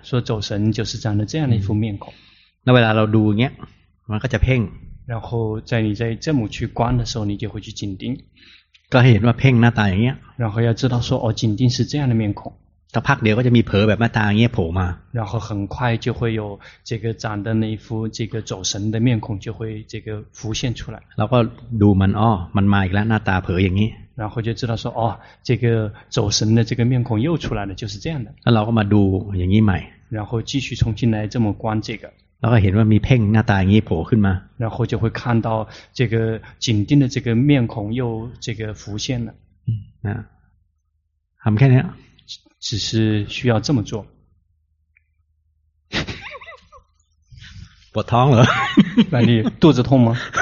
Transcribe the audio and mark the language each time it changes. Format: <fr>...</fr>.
<zh>说走神就是长得这样的一副面孔</zh> <th>那เวลาเราดูเงี้ยมันก็จะเพ่ง</th> <zh>然后在你在这么去观的时候你就会去紧盯</zh> <th>ก็เห็นว่าเพ่งหน้าตาอย่างเงี้ย</th> <zh>然后要知道说哦紧盯是这样的面孔</zh> <th>แต่พักเดียวก็จะมีเผลอแบบหน้าตาอย่างเงี้ยโผล่มา</th> <zh>然后很快就会有这个长的那一副这个走神的面孔就会这个浮现出来</zh> <th>แล้วก็ดูมันอ้อมันมาอีกแล้วหน้าตาเผลออย่างนี้</th> <zh>然后就知道说哦这个走神的这个面孔又出来了就是这样的</zh> <th>那เราก็มาดูอย่างนี้ใหม่</th> <zh>然后继续重新来这么观这个</zh> <th>แล้วก็เห็นว่ามีเพ่งหน้าตาอย่างนี้โผล่ขึ้นมา</th> <zh>然后就会看到这个紧盯的这个面孔又这个浮现了</zh> <th>ทำแค่นี้</th> <zh>只是需要这么做我疼了那你肚子痛吗</zh>